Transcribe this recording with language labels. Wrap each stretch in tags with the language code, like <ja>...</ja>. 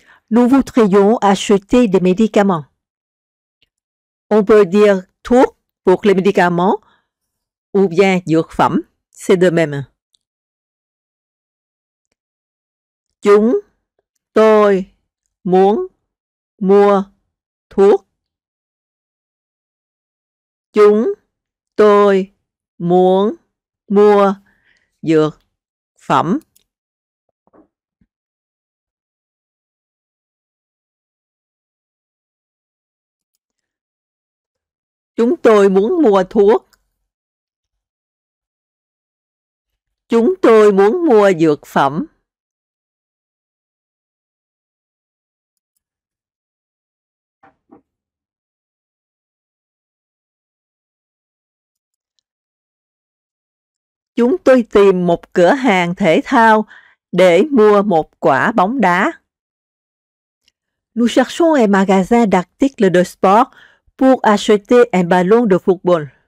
<fr>Nous voudrions acheter des médicaments. On peut dire thuốc pour les médicaments ou bien dược phẩm. C'est de même.</fr> <vi>Chúng tôi muốn mua thuốc. Chúng tôi muốn mua dược phẩm. Chúng tôi muốn mua thuốc. Chúng tôi muốn mua dược phẩm. Chúng tôi tìm một cửa hàng thể thao để mua một quả bóng đá.</vi> <fr>Nous cherchons un magasin d'articles de sport pour acheter un ballon de football.</fr>